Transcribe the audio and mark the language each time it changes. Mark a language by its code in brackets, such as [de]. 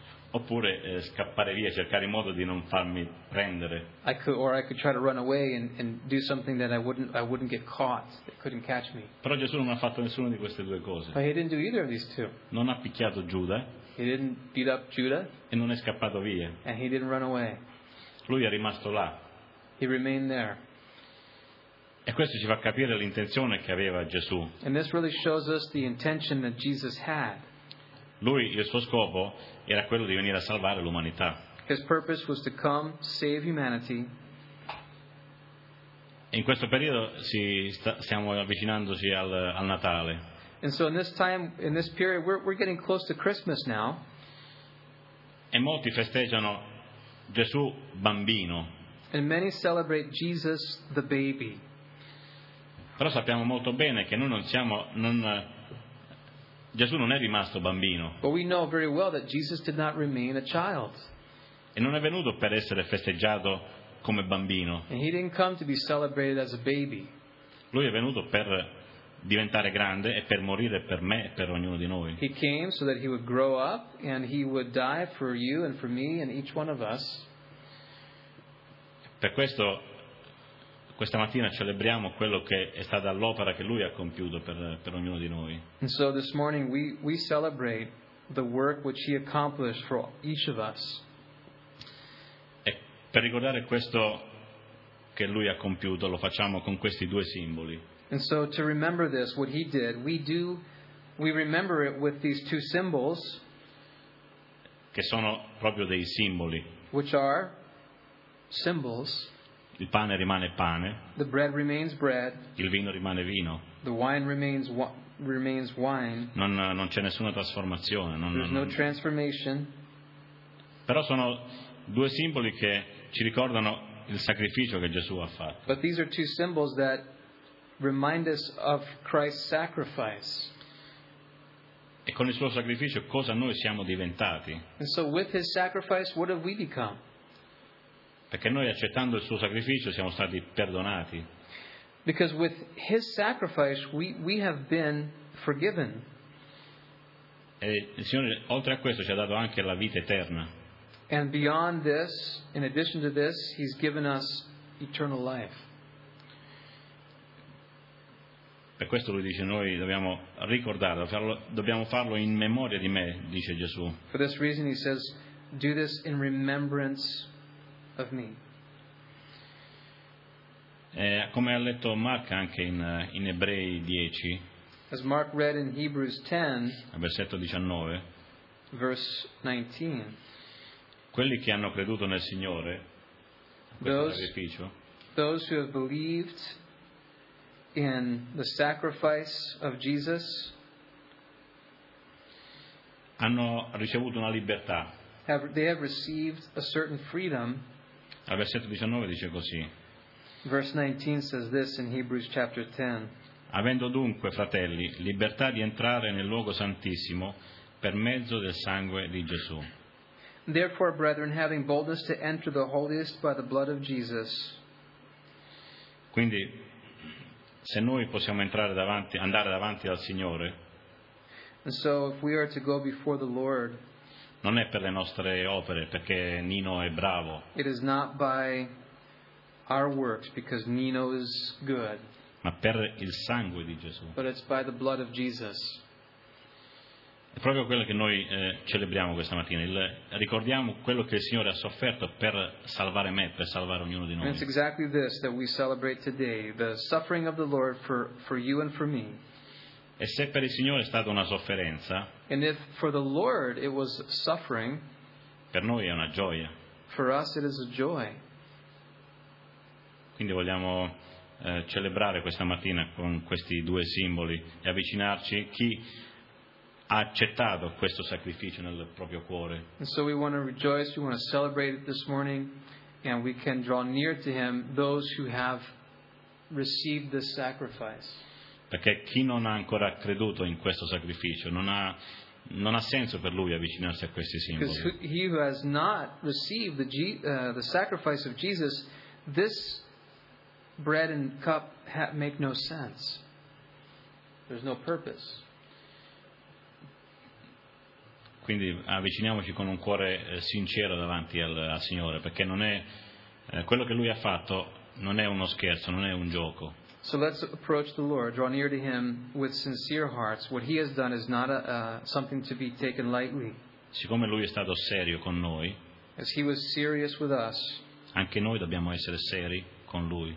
[it] Oppure scappare via, cercare in modo di non farmi prendere. [en] I could try to run away and do something that I wouldn't get caught, that couldn't catch me. [it] Però Gesù non ha fatto nessuna di queste due cose. [en] But he didn't do either of these two. [it] Non ha picchiato Giuda. [en] He didn't beat up Judah. [it] E non è scappato via. [en] And he didn't run away. [it] Lui è rimasto là. [en] He remained there. [it] E questo ci fa capire l'intenzione che aveva Gesù. [en] And this really shows us the intention that Jesus had. [it] Lui, il suo scopo era quello di venire a salvare l'umanità. [en] His purpose was to come save humanity. [it] In questo periodo stiamo avvicinandosi al Natale. [en] And so in this time, in this period, we're getting close to Christmas now. [it] E molti festeggiano Gesù bambino. [en] And many celebrate Jesus the baby. [it] Però sappiamo molto bene che noi non siamo, non, Gesù non è rimasto bambino. [en] But we know very well that Jesus did not remain a child. [it] E non è venuto per essere festeggiato come bambino. [en] And he didn't come to be celebrated as a baby. [it] Lui è venuto per diventare grande e per morire per me e per ognuno di noi. [en] He came so that he would grow up and he would die for you and for me and each one of us. [it] Per questo questa mattina celebriamo quello che è stata l'opera che lui ha compiuto per ognuno di noi. [en] And so this morning we celebrate the work which he accomplished for each of us. [it] E per ricordare questo che lui ha compiuto lo facciamo con questi due simboli. [en] And so to remember this, what he did, we remember it with these two symbols, [it] che sono proprio dei simboli. [en] Which are symbols. [it] Il pane rimane pane. [en] The bread remains bread. [it] Il vino rimane vino. [en] The wine remains remains wine. [it] Non c'è nessuna trasformazione. [en] No transformation. [it] Però sono due simboli che ci ricordano il sacrificio che Gesù ha fatto. [en] But these are two symbols that remind us of Christ's sacrifice. [it] E con il suo sacrificio cosa noi siamo diventati? [en] And so with his sacrifice, what have we become? [it] Perché noi accettando il suo sacrificio siamo stati perdonati. [en] Because with his sacrifice we have been forgiven. [it] E il Signore oltre a questo ci ha dato anche la vita eterna. [en] And beyond this, in addition to this, he's given us eternal life. [it] Per questo lui dice noi dobbiamo ricordarlo, dobbiamo farlo in memoria di me, dice Gesù. [en] For this reason he says do this in remembrance of me. [it] Come ha letto Mark anche in Ebrei 10. [en] As Mark read in Hebrews 10, [it] versetto 19. [en] Verse 19. [it] Quelli che hanno creduto nel Signore, [en] those who have believed in the sacrifice of Jesus, [it] hanno ricevuto una libertà. [en] They have received a certain freedom. [it] Al versetto 19 dice così. [en] Verse 19 says this in Hebrews chapter 10. [it] Avendo dunque, fratelli, libertà di entrare nel luogo santissimo per mezzo del sangue di Gesù. [en] Therefore, brethren, having boldness to enter the holiest by the blood of Jesus. [it] Quindi, se noi possiamo entrare davanti, andare davanti al Signore. [en] And so, if we are to go before the Lord. [it] Non è per le nostre opere, perché Nino è bravo. [en] It is not by our works, because Nino is good. [it] Ma per il sangue di Gesù. [en] But it's by the blood of Jesus. [it] È proprio quello che noi celebriamo questa mattina. Ricordiamo quello che il Signore ha sofferto per salvare me, per salvare ognuno di noi. [en] And it's exactly this that we celebrate today, the suffering of the Lord for you and for me. [it] E se per il Signore è stata una sofferenza, [en] and if for the Lord it was suffering, [it] per noi è una gioia. [en] For us it is a joy. [it] Quindi vogliamo celebrare questa mattina con questi due simboli e avvicinarci a chi ha accettato questo sacrificio nel proprio cuore. [en] And so we want to rejoice, we want to celebrate it this morning, and we can draw near to him those who have received this sacrifice. [it] Perché chi non ha ancora creduto in questo sacrificio non ha senso per lui avvicinarsi a questi simboli. [en] Because he who has not received the sacrifice of Jesus, this bread and cup make no sense. There's no purpose. [it] Quindi avviciniamoci con un cuore sincero davanti al Signore, perché non è quello che lui ha fatto non è uno scherzo, non è un gioco. [en] So let's approach the Lord, draw near to him with sincere hearts. What he has done is not something to be taken lightly. [it] Siccome lui è stato serio con noi, [en] as he was serious with us, [it] anche noi dobbiamo essere seri con lui.